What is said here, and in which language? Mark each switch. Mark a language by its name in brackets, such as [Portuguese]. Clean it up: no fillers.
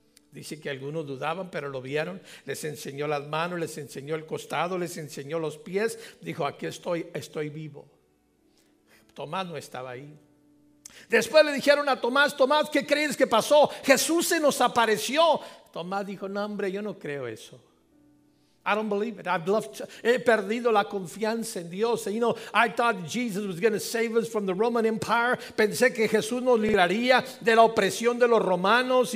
[Spanish] Dice que algunos dudaban, pero lo vieron. Les enseñó las manos, les enseñó el costado, les enseñó los pies. Dijo, aquí estoy, estoy vivo. Tomás no estaba ahí. Después le dijeron a Tomás, Tomás, ¿qué crees que pasó? Jesús se nos apareció. Tomás dijo, no, hombre, yo no creo eso. [English] I don't believe it. [Spanish] He perdido la confianza en Dios. [English] You know, I thought Jesus was going to save us from the Roman Empire. [Spanish] Pensé que Jesús nos libraría de la opresión de los romanos.